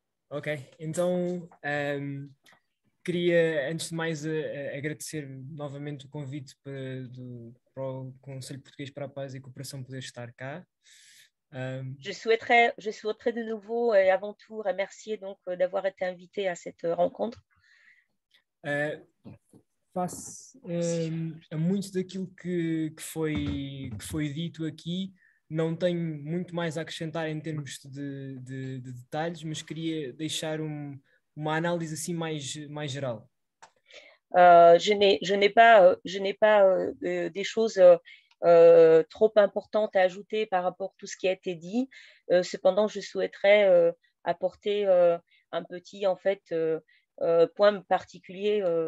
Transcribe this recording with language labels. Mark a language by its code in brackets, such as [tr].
[pt] Ok, então queria antes de mais agradecer novamente o convite para o Conselho Português para a Paz e a Cooperação poder estar cá. [fr] Je souhaiterais de nouveau et avant tout remercier donc d'avoir été invité à cette rencontre. [pt] Face a muito daquilo que foi dito aqui, não tenho muito mais a acrescentar em termos de detalhes, mas queria deixar uma análise assim mais geral. [fr] Je n'ai pas des choses trop importantes à ajouter par rapport à tout ce qui a été dit. Cependant, je souhaiterais apporter un petit en fait point particulier.